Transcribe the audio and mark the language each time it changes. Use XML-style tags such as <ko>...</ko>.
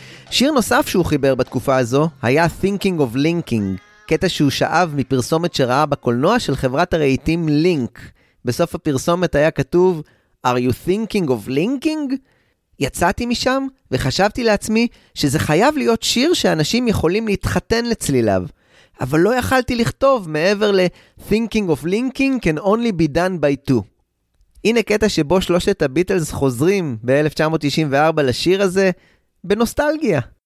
<he>שיר נוסף שהוא חיבר בתקופה הזו היה Thinking of Linking, קטע שהוא שאב מפרסומת שראה בקולנוע של חברת הרעיתים Link. בסוף הפרסומת היה כתוב</he> <en>Are you thinking of linking?</en> <he>יצאתי משם וחשבתי לעצמי שזה חייב להיות שיר שאנשים יכולים להתחתן לצליליו. אבל לא יכלתי לכתוב מעבר ל-</he> <en>Thinking of linking can only be done by two.</en> <he>הנה קטע שבו שלושת הביטלס חוזרים ב-1994 לשיר הזה בנוסטלגיה.</he>